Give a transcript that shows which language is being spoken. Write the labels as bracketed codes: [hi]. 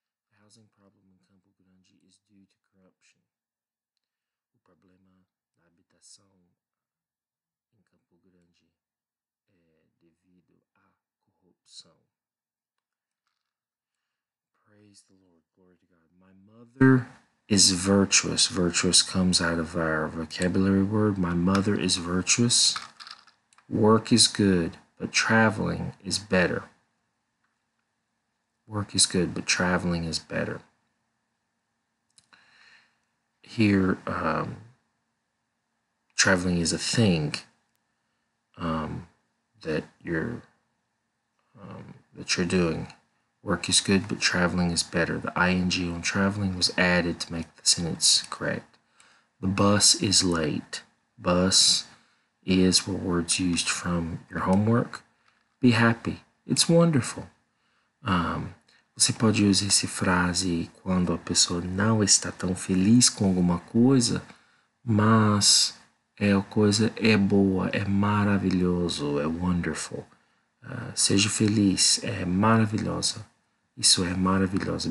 [en] The housing problem in Campo Grande is due to corruption. [pt] O problema da habitação em Campo Grande é devido à corrupção. [en] Pray Praise the Lord. Glory to God. My mother is virtuous. Virtuous comes out of our vocabulary word. My mother is virtuous. Work is good, but traveling is better. Work is good, but traveling is better. Here, traveling is a thing that you're doing. Work is good, but traveling is better. The ing on traveling was added to make the sentence correct. The bus is late. Bus is what words used from your homework. Be happy. It's wonderful. [pt] Você pode usar essa frase quando a pessoa não está tão feliz com alguma coisa, mas é a coisa é boa, é maravilhoso, é wonderful. Seja feliz, é maravilhosa. Isso é maravilhoso.